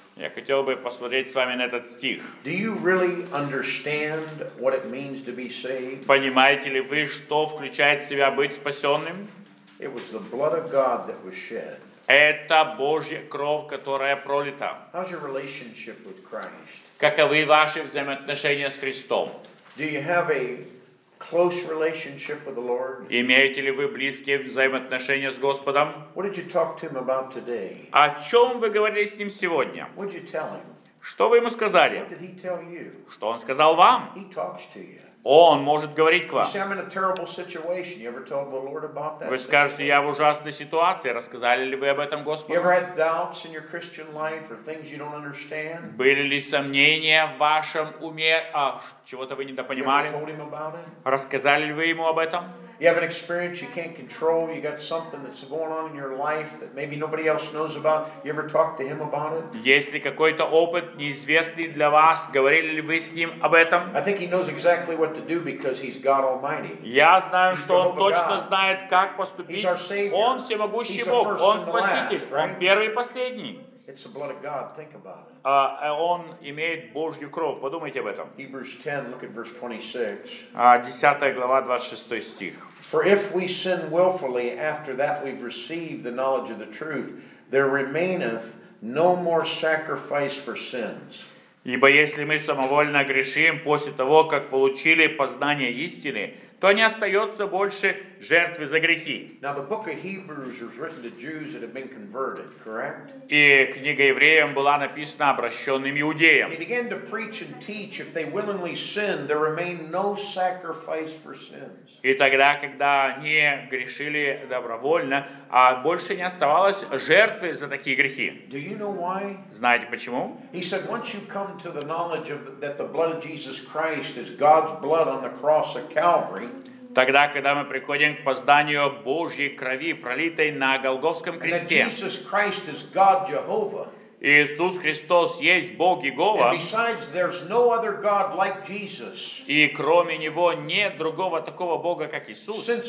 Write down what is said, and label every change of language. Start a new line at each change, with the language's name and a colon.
Russian: Я хотел бы посмотреть с вами на этот стих.
English: Do you really understand what it means to be saved?
Russian: Понимаете ли вы, что включает в себя быть спасенным?
English: It was the blood of God that was shed.
Russian: Это Божья кровь, которая пролита.
English: How's your relationship with Christ?
Russian: Каковы ваши взаимоотношения с Христом?
English: Do you have a close relationship with the Lord?
Russian: Имеете ли вы близкие взаимоотношения с Господом?
English: What did you talk to him about today?
Russian: О чем вы говорили с ним сегодня?
English: What did you tell him?
Russian: Что вы ему сказали?
English: What did he tell you?
Russian: Что он сказал вам?
English: He talks to you.
Russian: Он может говорить к вам.
English: You say, I'm in a terrible situation. You ever told the Lord about that?
Russian: Вы скажете, я в ужасной ситуации. Рассказали ли вы об этом Господу?
English: You ever had doubts in your Christian life or things you don't understand?
Russian: Были ли сомнения в вашем уме, чего-то вы недопонимали?
English: You ever told him about it?
Russian: Рассказали ли вы ему об этом?
English: You have an experience you can't control. You got something that's going on in your life that maybe nobody else knows about. You ever talked to him about it?
Russian: Есть ли какой-то опыт неизвестный для вас? Говорили ли вы с ним об этом?
English: I think he knows exactly what to do because he's God Almighty.
Russian: Я знаю, что он точно знает, как поступить.
English: He's our Savior.
Russian: Он всемогущий Бог. Он спаситель. Он первый и последний.
English: It's the blood of God. Think about it.
Russian: Он имеет Божью кровь. Подумайте об этом.
English: Hebrews 10, look at verse 26.
Russian: 10 глава, 26 стих.
English: For if we sin willfully after that we've received the knowledge of the truth, there remaineth no more sacrifice for sins.
Russian: Ибо если мы самовольно грешим после того, как получили познание истины, то не остается больше жертвы за грехи.
English: Now, the book of Hebrews was written to Jews that have been converted, correct?
Russian: И книга евреям была написана обращенным иудеям.
English: He began to preach and teach, if they willingly sin, there remain no sacrifice for sins.
Russian: И тогда, когда они грешили добровольно, больше не оставалось жертвы за такие грехи.
English: Do you know why?
Russian: Знаете почему?
English: He said, once you come to the knowledge of that the blood of Jesus Christ is God's blood on the cross of Calvary,
Russian: тогда, когда мы приходим к познанию Божьей крови, пролитой на Голгофском кресте, Иисус Христос есть Бог Иегова, и кроме Него нет другого такого Бога, как Иисус.